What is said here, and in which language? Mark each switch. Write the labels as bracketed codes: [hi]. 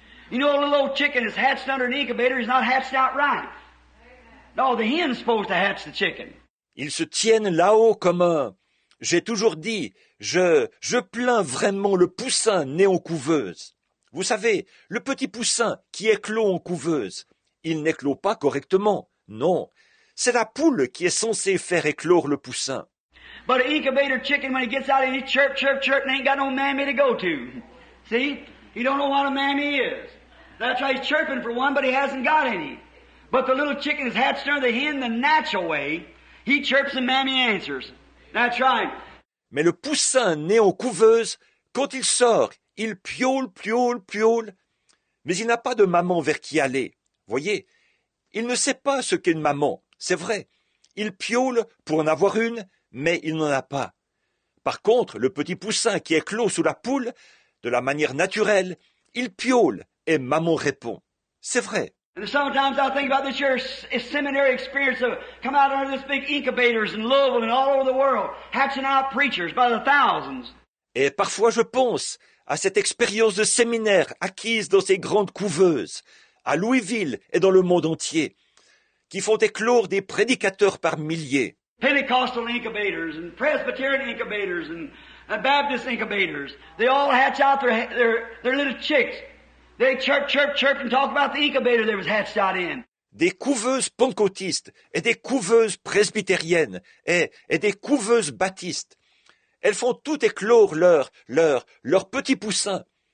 [en] You know, a little old chicken is hatched under an incubator, he's not hatched out right. No, the hen's supposed to hatch the chicken. [fr] Ils se tiennent là-haut comme un... J'ai toujours dit, je plains vraiment le poussin né en couveuse. Vous savez, le petit poussin qui éclot en couveuse, il n'éclot pas correctement. Non, c'est la poule qui est censée faire éclore le poussin. [en] But an incubator chicken, when he gets out, he chirp, chirp, chirp, and ain't got no mammy to go to. See? He don't know what a mammy is. That's why he's chirping for one, but he hasn't got any. But the little chicken is hatched under the hen the natural way. He chirps and mammy answers. That's right. [fr] Mais le poussin né en couveuse, quand il sort, il piaule, piaule, piaule. Mais il n'a pas de maman vers qui aller. Voyez, il ne sait pas ce qu'est une maman. C'est vrai. Il piaule pour en avoir une, mais il n'en a pas. Par contre, le petit poussin qui est clos sous la poule, de la manière naturelle, Il piaule et maman répond. C'est vrai. [en] And sometimes I think about this year, a seminary experience of come out under this big incubators in Louisville and all over the world, hatching out preachers by the thousands. [fr] Et parfois je pense à cette expérience de séminaire acquise dans ces grandes couveuses, à Louisville et dans le monde entier, qui font éclore des prédicateurs par milliers. [en] Pentecostal incubators and Presbyterian incubators and Baptist incubators, they all hatch out their little chicks. They chirp, chirp, chirp and talk about the incubator that was hatched out in. [fr] Des couveuses pentecôtistes et des couveuses presbytériennes et des couveuses baptistes. Elles font tout éclore leur petit poussin.